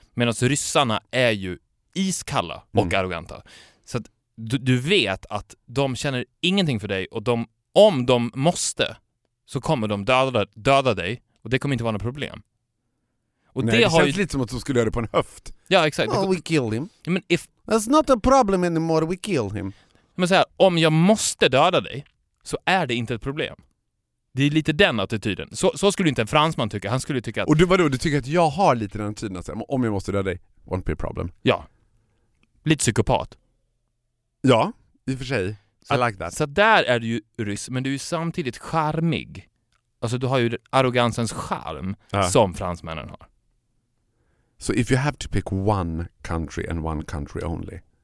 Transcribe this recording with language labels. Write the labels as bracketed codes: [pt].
[sv] Medan ryssarna är ju iskalla och arroganta. Så att du vet att de känner ingenting för dig och om de måste så kommer de döda dig och det kommer inte vara något problem. Och nej, det har känns ju... lite som att de skulle göra det på en höft. Ja, exakt. [en] Oh, we kill him. [sv] Ja, men if... [en] That's not a problem anymore, we kill him. [sv] Men så här, om jag måste döda dig så är det inte ett problem. Det är lite den attityden. Så skulle inte en fransman tycka. Han skulle tycka att... Och du tycker att jag har lite den attityden. Alltså. Om jag måste döda dig, [en] won't be a problem. [sv] Ja. Lite psykopat. Ja, i och för sig. [en] I like that. [sv] Så där är du ju ryss, men du är ju samtidigt charmig. Alltså du har ju arrogansens charm som fransmännen har. [en] So if you have to pick one country and one country only.